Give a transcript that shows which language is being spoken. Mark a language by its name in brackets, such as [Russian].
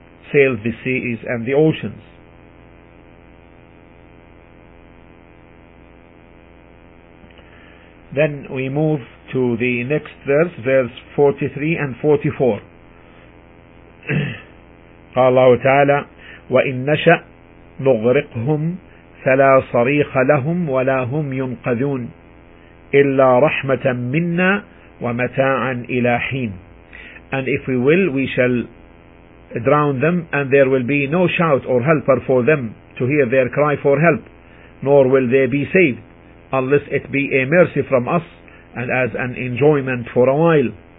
[English] Sail the seas and the oceans. Then we move to the next verse, verse 43 and 44. [Arabic] قال الله تعالى وإن نشأ نغرقهم فلا صريخ لهم ولا هم ينقذون إلا رحمة منا ومتاعا إلى حين. [English] And if we will, we shall drown them, and there will be no shout or helper for them to hear their cry for help, nor will they be saved, unless it be a mercy from us, and as an enjoyment for a while.